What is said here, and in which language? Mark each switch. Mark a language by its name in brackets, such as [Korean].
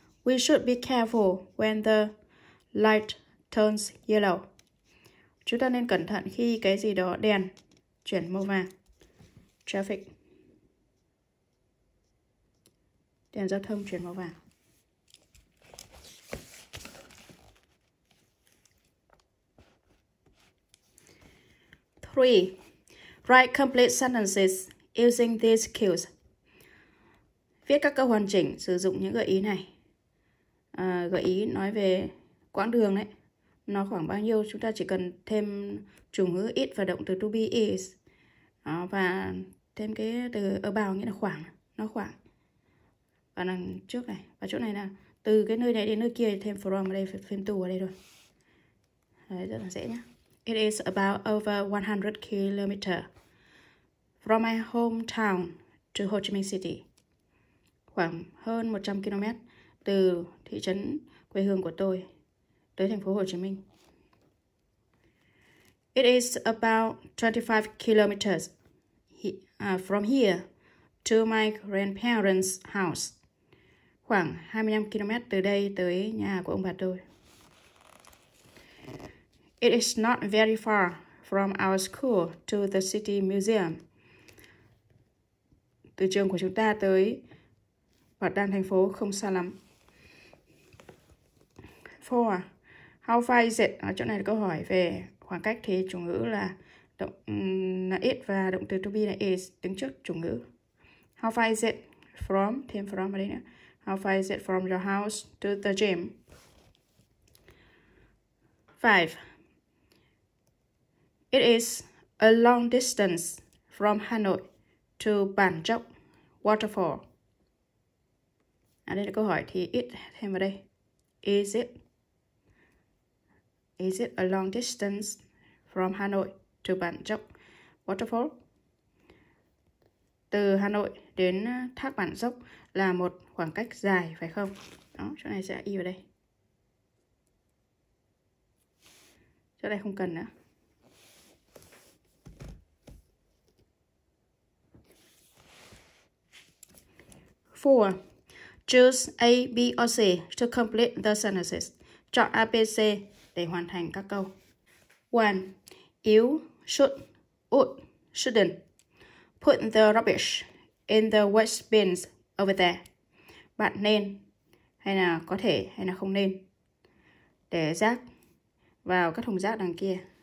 [English] We should be careful when the light turns yellow. [Vietnamese] Chúng ta nên cẩn thận khi cái gì đó đèn chuyển màu vàng. Traffic. Đèn giao thông chuyển màu vàng. [English] 3. Write complete sentences using these skills. [Vietnamese] Viết các câu hoàn chỉnh sử dụng những gợi ý này. Gợi ý nói về quãng đường đấy. Nó khoảng bao nhiêu, chúng ta chỉ cần thêm chủ ngữ it và động từ to be is. Đó, và thêm cái từ about nghĩa là khoảng, nó khoảng. Và đằng trước này, và chỗ này là từ cái nơi này đến nơi kia thêm from, ở đây thêm to ở đây rồi. Đấy, rất là dễ nhá. [English] It is about over 100 km from my hometown to Ho Chi Minh City. [Vietnamese] Khoảng hơn 100 km từ thị trấn quê hương của tôi tới thành phố Hồ Chí Minh. [English] It is about 25 kilometers from here to my grandparents' house. [Vietnamese] Khoảng 25 km từ đây tới nhà của ông bà tôi. [English] It is not very far from our school to the city museum. [Vietnamese] Từ trường của chúng ta tới bảo tàng thành phố không xa lắm. 4. [English] How far is it? [Vietnamese] Ở chỗ này là câu hỏi về khoảng cách, thì chủ ngữ là động là it và động từ to be là is, đứng trước chủ ngữ. [English] How far is it from, [Vietnamese] thêm from ở đây nữa. [English] How far is it from your house to the gym? 5. It is a long distance from Hanoi to Bản Chốc Waterfall. [Vietnamese] À, đây là câu hỏi thì it thêm vào đây. [English] Is it a long distance from Hanoi to Bản Chốc Waterfall? [Vietnamese] Từ Hà Nội đến thác Bản Chốc là một khoảng cách dài phải không? Đó, chỗ này sẽ y vào đây. Chỗ này không cần nữa. [English] Four. Choose A, B or C to complete the sentences. [Vietnamese] Chọn A, B, C để hoàn thành các câu. 1. [English] You should, would, shouldn't put the rubbish in the waste bins over there. [Vietnamese] Bạn nên, hay là có thể, hay là không nên để rác vào các thùng rác đằng kia.